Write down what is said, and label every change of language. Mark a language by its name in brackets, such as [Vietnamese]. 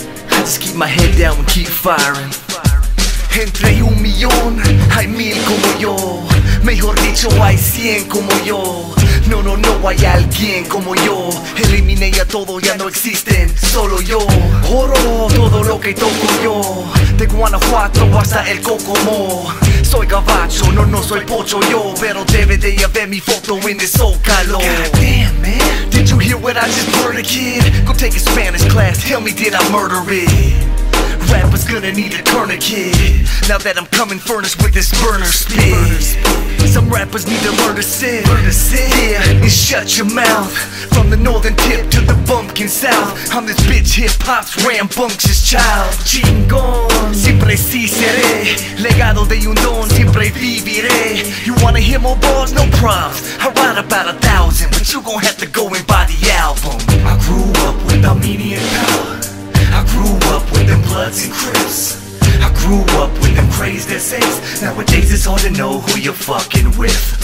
[English] I just keep my head down and keep firing. [Spanish] Entre un millón, hay mil como yo. Mejor dicho, hay cien como yo. No, no, no, hay alguien como yo. Eliminé a todos, ya no existen, solo yo. Oro todo lo que toco yo. De Guanajuato hasta el Cocomo. Soy gabacho, no, no soy pocho yo. Pero debe de haber mi foto en el zócalo. [English] God damn, man. Did you hear what I just heard, kid? Go take a Spanish class, tell me did I murder it. Rapper's gonna need a tourniquet. Now that I'm coming furnace with this burner spit. Some rappers need to learn to sit. Learn to sit. Yeah, and shut your mouth. From the northern tip to the bumpkin south. I'm this bitch hip hop's rambunctious child. [Spanish] Chingon, siempre sí seré. Legado de un don, siempre viviré. [English] You wanna hear more bars? No problems. I write about 1,000, but you gon' have to go and buy the album. I grew up with Armenian power. I grew up with them Bloods and Crips. I grew up with them crazed essays. Nowadays it's hard to know who you're fucking with.